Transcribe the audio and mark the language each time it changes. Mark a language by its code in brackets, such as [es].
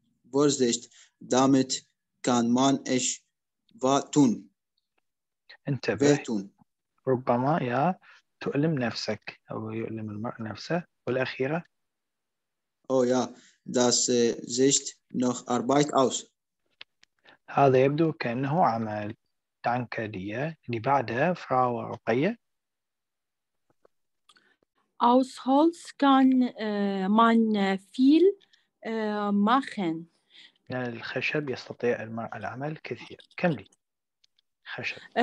[de] Vorsicht, damit kann man es wehtun. [ar] انتبه. ربما يا تؤلم نفسك أو يؤلم المرء نفسه. والأخيرة؟ [de] Oh ja, das sieht noch Arbeit aus. [ar] هذا يبدو كأنه عمل. دانك دي اللي بعده فراو رقيه [de] aus holz kann man viel machen [ar] الخشب يستطيع المرء العمل كثير كملي خشب